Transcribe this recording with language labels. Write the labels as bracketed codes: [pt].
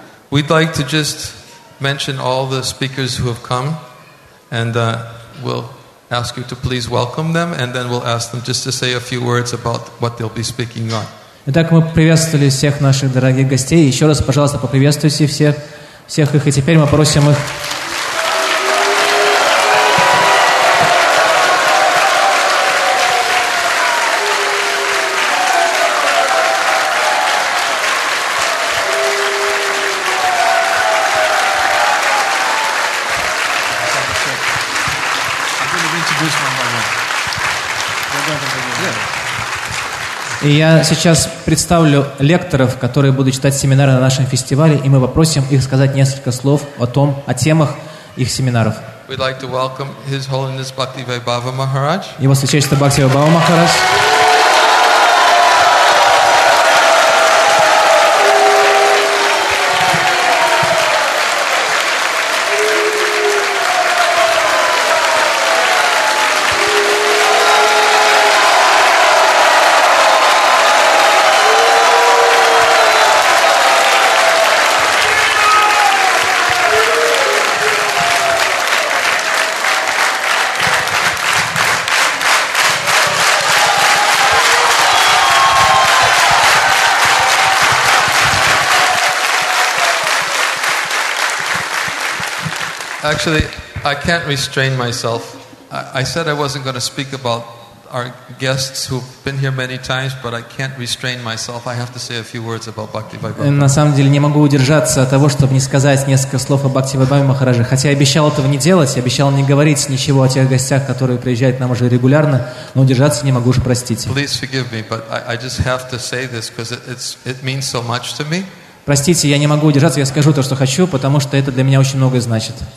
[en] We'd like to just mention all the speakers who have come, and we'll ask you to please welcome them, and then we'll ask them just to say a few words about what they'll be speaking on. [ru] Итак, мы приветствовали всех наших дорогих гостей. Еще раз, пожалуйста, поприветствуйте всех их, и теперь мы просим их. И я сейчас представлю лекторов, которые будут читать семинары на нашем фестивале, и мы попросим их сказать несколько слов о том, о темах их семинаров. [en] We'd like to welcome His Holiness Bhaktivaibhava Maharaj. [ru] Его Святейшество Бхактивайбава Махарадж. [en] Actually, I can't restrain myself. I said I wasn't going to speak about our guests who've been here many times, but I can't restrain myself. I have to say a few words about Bhaktivaibhava. [ru] На самом деле, не могу удержаться от того, чтобы не сказать несколько слов о Бхактивайбаве Махарадже. Хотя я обещал этого не делать, я обещал не говорить ничего о тех гостях, которые приезжают к нам уже регулярно, но удержаться не могу, уж простите. [en] Please forgive me, but I just have to say this because it means so much to me. [ru] Простите, я не могу удержаться, я скажу то, что хочу, потому что это для меня очень многое значит.